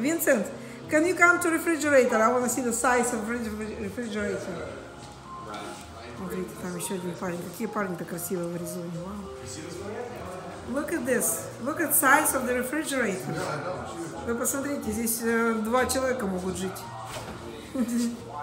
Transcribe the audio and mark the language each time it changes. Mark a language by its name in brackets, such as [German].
[English] Винсент, can you come to refrigerator? I want to see the size of refrigerator. [Russian] Смотрите, там еще один парень. Какие парни-то красивые в Аризоне. [English] Вау! Look at this. Look at size of the refrigerator. [Russian] Вы посмотрите, здесь два человека могут жить.